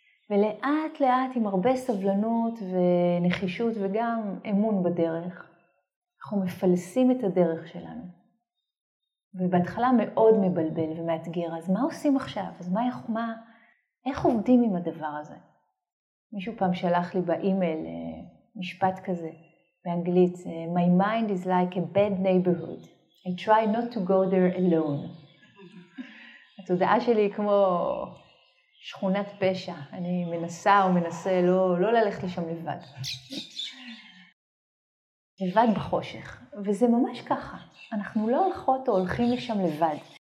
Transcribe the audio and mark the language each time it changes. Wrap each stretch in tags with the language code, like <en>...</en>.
<he>ולאט לאט עם הרבה סבלנות ונחישות וגם אמון בדרך. אנחנו מפלסים את הדרך שלנו. ובהתחלה מאוד מבלבל ומאתגר. אז מה עושים עכשיו? אז מה, איך עובדים עם הדבר הזה? מישהו פעם שלח לי באימייל משפט כזה באנגלית.</he> <en>My mind is like a bad neighborhood. I try not to go there alone.</en> <he>התודעה שלי היא כמו שכונת פשע. אני מנסה או מנסה לא ללכת לשם לבד. לבד בחושך, וזה ממש ככה, אנחנו לא הולכות או הולכים לשם לבד.</he>